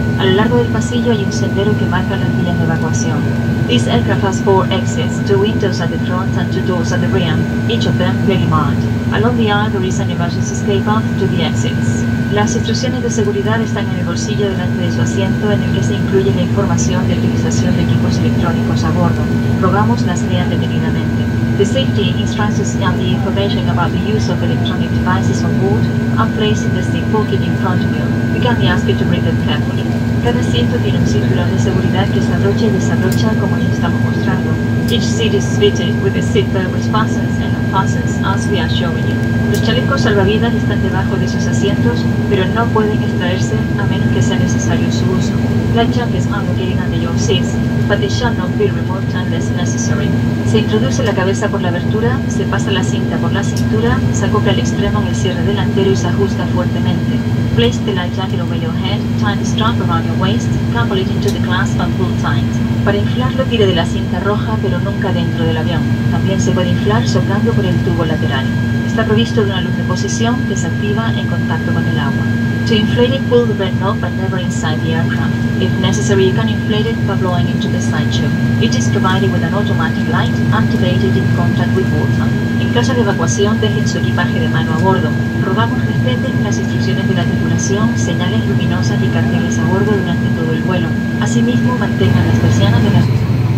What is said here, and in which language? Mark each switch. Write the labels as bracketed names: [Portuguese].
[Spanish] A lo largo del pasillo hay un sendero que marca las vías de evacuación. [English] This aircraft has 4 exits, 2 windows at the front and 2 doors at the rear, each of them clearly marked. Along the aisle there is an emergency escape path to the exits. [Spanish] Las instrucciones de seguridad están en el bolsillo delante de su asiento, en el que se incluye la información de utilización de equipos electrónicos a bordo. Rogamos las lean detenidamente. [English] The safety instructions and the information about the use of electronic devices on board are placed in the seat pocket in front of you. We kindly ask you to read them carefully. [Spanish] Cada asiento tiene un cinturón de seguridad que se abrocha y desabrocha como les estamos mostrando. [English] Each seat is fitted with a seatbelt which fastens and unfastens as we are showing you. [Spanish] Los chalecos salvavidas están debajo de sus asientos, pero no pueden extraerse a menos que sea necesario su uso. [English] Life jackets are located under your seats, but they shall not be removed unless necessary. [Spanish] Se introduce la cabeza por la abertura, se pasa la cinta por la cintura, se acopla el extremo en el cierre delantero y se ajusta fuertemente. [English] Place the life jacket over your head, tie the strap around your waist, couple it into the clasp and pull tight. [Spanish] Para inflarlo, tire de la cinta roja, pero nunca dentro del avión. También se puede inflar soplando por el tubo lateral. Está provisto de una luz de posición que se activa en contacto con el agua. [English] To inflate it, pull the red knob, but never inside the aircraft. If necessary, you can inflate it by blowing into the sideshow. It is provided with an automatic light, activated in contact with water. [Spanish] En caso de evacuación, dejen su equipaje de mano a bordo. Rogamos respeten las instrucciones de la tripulación, señales luminosas y carteles a bordo durante todo el vuelo. Asimismo, mantengan las persianas de las personas.